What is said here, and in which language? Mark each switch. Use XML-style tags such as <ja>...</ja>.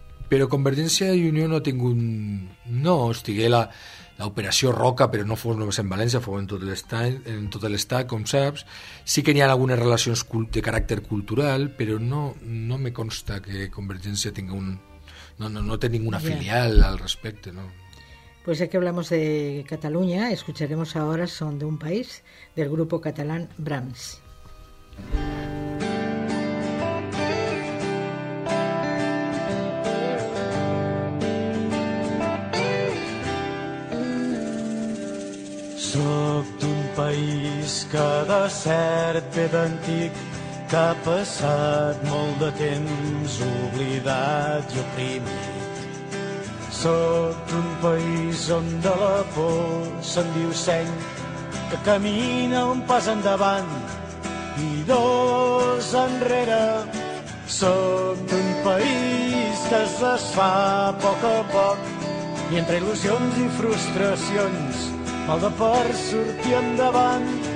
<ca>Però Convergència i Unió no ha tingut... No, estigué l'operació Roca, però no fos només en València, fos en tot l'estat, com saps. Sí que hi ha algunes relacions de caràcter cultural, però no me consta que Convergència tingui un... No té ninguna filial al respecte, no.</ca> <es>Pues ya que hablamos de Cataluña, escucharemos ahora Son de un País, del grupo catalán Brahms.</es> <ca>Soc d'un país que de cert ve d'antic, que ha passat molt de temps oblidat i oprimit. Sóc un país on de la por se'n diu seny, que camina un pas endavant i dos enrere. Sóc un país que es desfà a poc, I entre il·lusions i frustracions, mal de por sortir endavant.</ca>